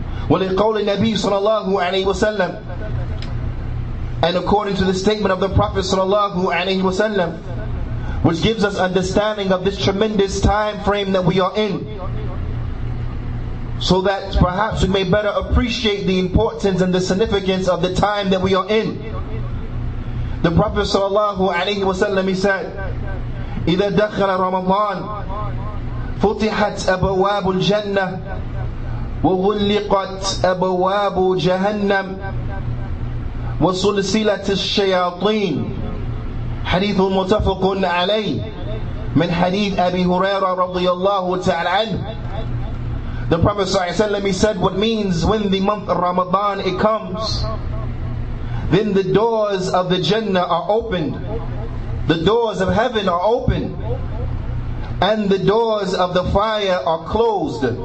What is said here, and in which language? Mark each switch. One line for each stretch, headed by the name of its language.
Arabic: ولقول النبي صلى الله عليه وسلم,
English: and according to the statement of the Prophet صلى الله عليه وسلم, which gives us understanding of this tremendous time frame that we are in, so that perhaps we may better appreciate the importance and the significance of the time that we are in. The Prophet
Arabic: صلى الله عليه وسلم,
English: he said,
Arabic: إذا دخل رمضان فتحت أبواب الجنة وغلقت أبواب جهنم وسلسلة الشياطين. حديث متفق عليه من حديث أبي هريرة رضي الله تعالى عنه.
English: The Prophet صلى الله عليه وسلم, he said, what means when the month of Ramadan it comes, then the doors of the Jannah are opened, the doors of heaven are open, and the doors of the fire are closed.